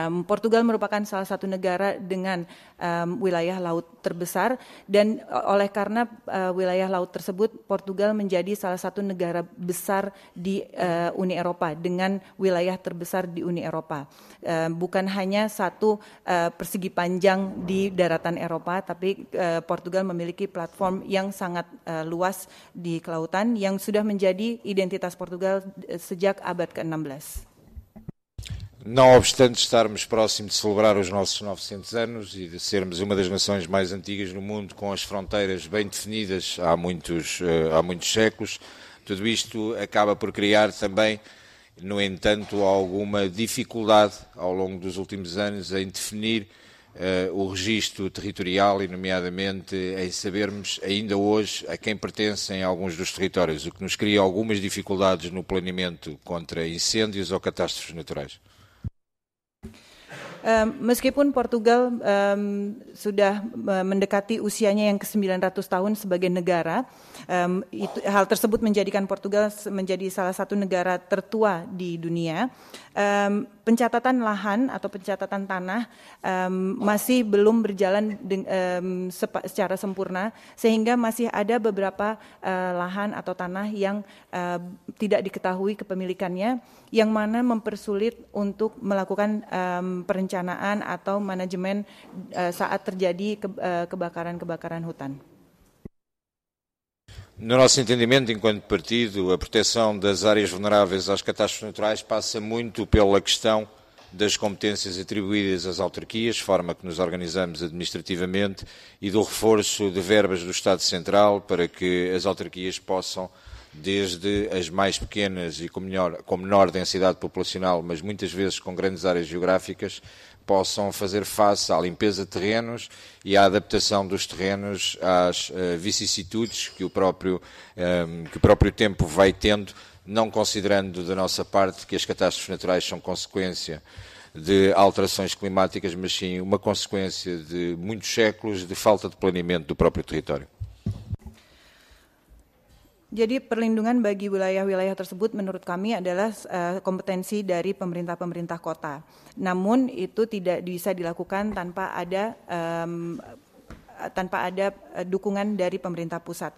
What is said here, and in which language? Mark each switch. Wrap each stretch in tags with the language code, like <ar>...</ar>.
<id>Portugal merupakan salah satu negara dengan wilayah laut terbesar dan oleh karena wilayah laut tersebut Portugal menjadi salah satu negara besar di Uni Eropa dengan wilayah terbesar di Uni Eropa. Bukan hanya satu persegi panjang di daratan Eropa tapi Portugal memiliki platform yang sangat luas di kelautan yang sudah menjadi identitas Portugal sejak abad ke-16.</id> <pt>Não obstante estarmos próximos de celebrar os nossos 900 anos e de sermos uma das nações mais antigas no mundo, com as fronteiras bem definidas há muitos séculos, tudo isto acaba por criar também, no entanto, alguma dificuldade ao longo dos últimos anos em definir o registro territorial e, nomeadamente, em sabermos ainda hoje a quem pertencem alguns dos territórios, o que nos cria algumas dificuldades no planeamento contra incêndios ou catástrofes naturais.</pt> <id>Meskipun Portugal sudah mendekati usianya yang ke-900 tahun sebagai negara, hal tersebut menjadikan Portugal menjadi salah satu negara tertua di dunia. Pencatatan lahan atau pencatatan tanah masih belum berjalan secara sempurna, sehingga masih ada beberapa lahan atau tanah yang tidak diketahui kepemilikannya, yang mana mempersulit untuk melakukan perencanaan atau manajemen saat terjadi kebakaran-kebakaran hutan.</id> <pt>No nosso entendimento, enquanto partido, a proteção das áreas vulneráveis às catástrofes naturais passa muito pela questão das competências atribuídas às autarquias, forma que nos organizamos administrativamente e do reforço de verbas do Estado Central para que as autarquias possam desde as mais pequenas e com menor densidade populacional, mas muitas vezes com grandes áreas geográficas, possam fazer face à limpeza de terrenos e à adaptação dos terrenos às vicissitudes que o próprio tempo vai tendo, não considerando da nossa parte que as catástrofes naturais são consequência de alterações climáticas, mas sim uma consequência de muitos séculos de falta de planeamento do próprio território.</pt> <id>Jadi perlindungan bagi wilayah-wilayah tersebut menurut kami adalah kompetensi dari pemerintah-pemerintah kota. Namun itu tidak bisa dilakukan tanpa ada dukungan dari pemerintah pusat.</id>